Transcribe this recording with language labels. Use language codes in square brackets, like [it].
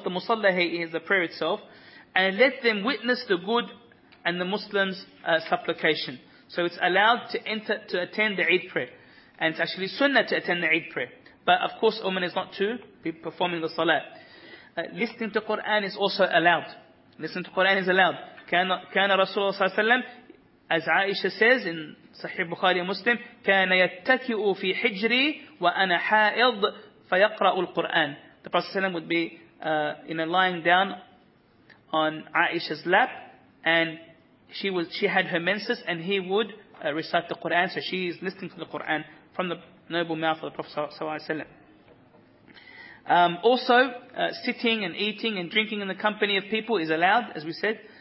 [en] The musalla here is the prayer itself, and let them witness the good and the Muslims' supplication. So it's allowed to enter to attend the Eid prayer, and it's actually sunnah to attend the Eid prayer. But of course, woman is not to be performing the salah. Listening to Quran is also allowed. Listening to Quran is allowed. [ar] كان رسول الله صلى الله عليه وسلم, [en] as Aisha says in Sahih Bukhari Muslim, [ar] كان يتكئ في حجري وأنا حائض فيقرأ القرآن. [en] The Prophet ﷺ would be lying down on Aisha's lap, and she had her menses, and he would recite the Quran. So she is listening to the Quran from the noble mouth of the Prophet ﷺ. Also, sitting and eating and drinking in the company of people is allowed, as we said.